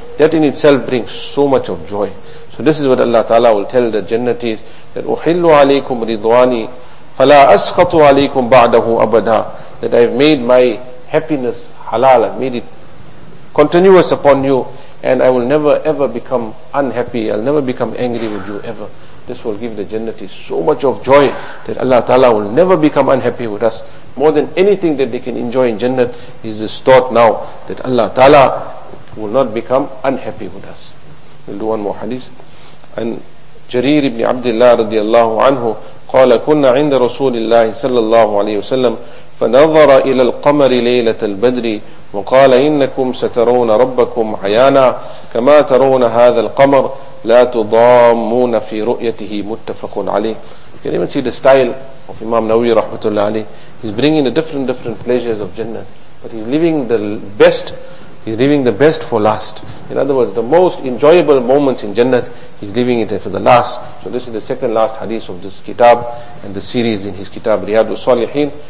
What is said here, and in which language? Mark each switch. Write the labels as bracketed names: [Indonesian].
[English] That in itself brings so much of joy. So this is what Allah Ta'ala will tell the Jannatis, that [Arabic] Uhillu alaykum ridwani, fala askhatu alaykum ba'dahu abada, [English] that I've made my happiness halal, I've made it continuous upon you, and I will never ever become unhappy, I'll never become angry with you ever. This will give the Jannatis so much of joy that Allah Ta'ala will never become unhappy with us. More than anything that they can enjoy in Jannat is this thought now that Allah Ta'ala will not become unhappy with us. We'll do one more hadith. [Arabic] And Jarir ibn Abdullah radiallahu anhu qala kunna inda Rasulillah sallallahu alayhi wa sallam فنظر إلى القمر ليلة البدر وقال إنكم سترون ربكم عيانا كما ترون هذا القمر لا تضامون في رؤيته. متفق عليه. [English] You can even see the style of Imam Nawawi rahmatullah alayh. He's bringing the different pleasures of Jannah, but he's leaving the best He's leaving the best for last. In other words, the most enjoyable moments in Jannah, he's leaving it for the last. So this is the second last hadith of this kitab and the series in his kitab, Riyadu Salihin.